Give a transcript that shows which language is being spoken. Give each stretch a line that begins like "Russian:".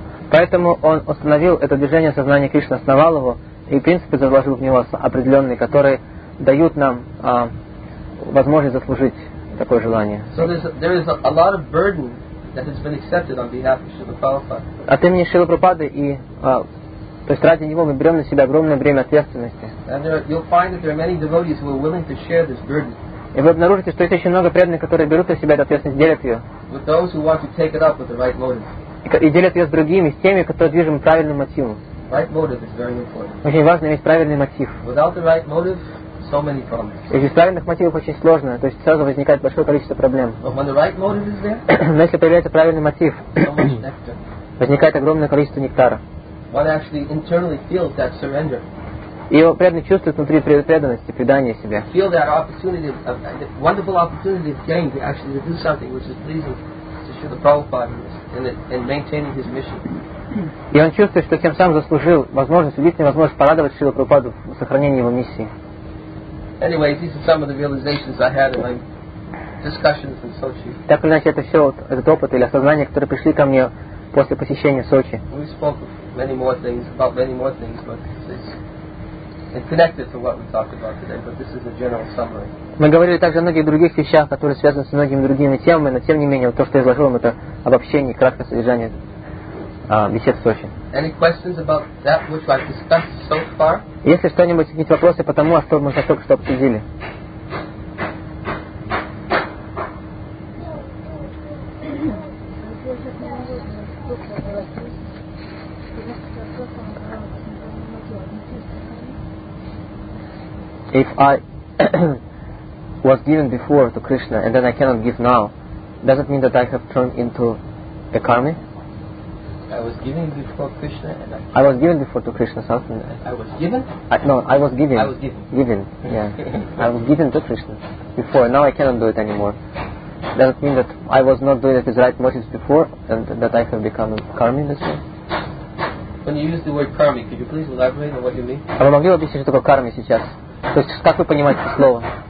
Russian: Поэтому он установил это движение сознания Кришны, основал его, и принципы заложил в него определенные, которые дают нам возможность заслужить такое желание.
English: So there is a lot of burden that has been accepted on behalf of Srila Prabhupada.
Russian: От имени Шрилы Прабхупады и то есть ради него мы берем на себя огромное бремя ответственности. И вы обнаружите, что есть очень много преданных, которые берут на себя эту ответственность, делят ее.
English: With those who want to take it up with the right motive.
Russian: И делят ее с другими, с теми, которые движимы правильным мотивом.
English: Right motive is very important.
Russian: Очень важно иметь правильный мотив.
English: Without the right motive, so many problems.
Russian: И без правильных мотивов очень сложно, то есть сразу возникает большое количество проблем.
English: But when the right motive is there,
Russian: но если появляется правильный мотив, возникает огромное количество нектара.
English: One actually internally feels that surrender.
Russian: И его преданный чувствует внутри преданности, предания себе.
English: Feel that opportunity, the wonderful opportunity of gain to actually do something which is pleasing to Srila Prabhupada and maintaining his mission.
Russian: И он чувствует, что тем самым заслужил возможность, удивительную возможность порадовать Шрилу Прабхупаду в сохранении его миссии.
English: Anyway, these are some of the realizations I had in my discussions in Sochi.
Russian: Так или иначе, это все этот опыт или осознание, которое пришли ко мне после посещения Сочи.
English: We spoke of many more things, about many more things, but it's connected to what we talked about today, but this is a general summary.
Russian: Мы говорили также о многих других вещах, которые связаны с многими другими темами, но тем не менее, то, что я изложил вам, это обобщение, краткое содержание бесед в Сочи.
English: Any questions about that which I've discussed so far?
Russian: Если что-нибудь, какие-то вопросы по тому, что мы только что обсудили.
English: If I was given before to Krishna and then I cannot give now, does it mean that I have turned into a karmi? I was given to Krishna before, now I cannot do it anymore. Does it mean that I was not doing it with right motives before and that I have become karmi this way? When you use the word karmi, could you please elaborate on what you mean?
Russian: Вы могли объяснить, что такое карми сейчас? То есть, как вы понимаете это слово?